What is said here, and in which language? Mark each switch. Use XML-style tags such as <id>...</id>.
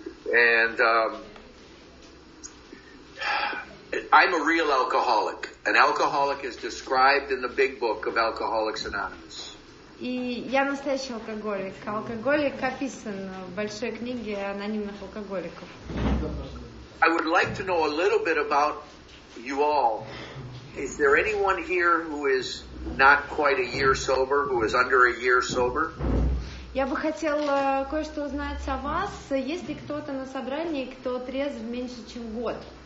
<en>And I'm a real alcoholic. An alcoholic is described in the big book of Alcoholics Anonymous.</en> <ru>И я настоящий алкоголик. Алкоголик описан в большой книге анонимных алкоголиков.</ru> <en>I would like to know a little bit about you all. Is there anyone here who is not quite a year sober, who is under a year sober?</en> <ru>Я бы хотел кое-что узнать о вас. Есть ли кто-то на собрании, кто трезв меньше, чем год?</ru>